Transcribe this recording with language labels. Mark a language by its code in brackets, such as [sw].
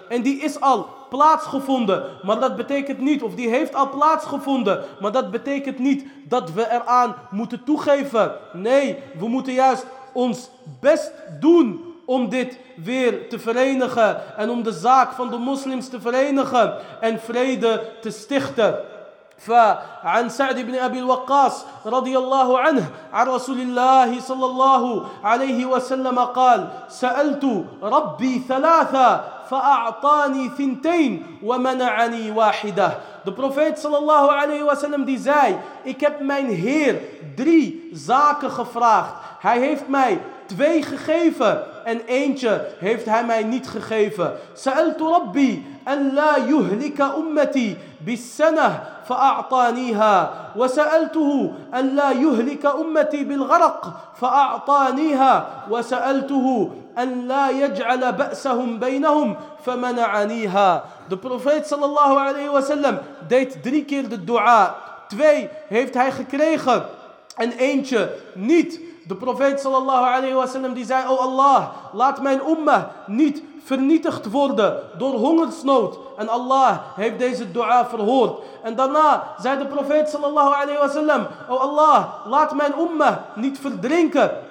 [nl] En die is al plaatsgevonden. Maar dat betekent niet, of die heeft al plaatsgevonden. Maar dat betekent niet dat we eraan moeten toegeven. Nee, we moeten juist ons best doen om dit weer te verenigen. En om de zaak van de moslims te verenigen. En vrede te stichten. [ar] فعن سعد بن أبي الوقاص رضي الله عنه عن رسول الله صلى الله عليه وسلم قال سألت ربي ثلاثة فأعطاني ثنتين ومنعني واحدة. [nl] De profeet sallallahu alayhi wa sallam die zei: Ik heb mijn Heer drie zaken gevraagd. Hij heeft mij twee gegeven en eentje heeft hij mij niet gegeven. [ar] سألت ربي أن لا يهلك أمتي بالسنة فأعطانيها وسألته أن لا يهلك أمتي بالغرق فأعطانيها وسألته أن لا يجعل بأسهم بينهم فمنعنيها. [nl] De profeet sallallahu alayhi wa sallam deed drie keer de dua. Twee heeft hij gekregen en eentje niet. De profeet sallallahu alayhi wa sallam die zei: O Allah, laat mijn ummah niet vernietigd worden door hongersnood. En Allah heeft deze dua verhoord. En daarna zei de profeet sallallahu alayhi wa sallam: O Allah, laat mijn ummah niet verdrinken.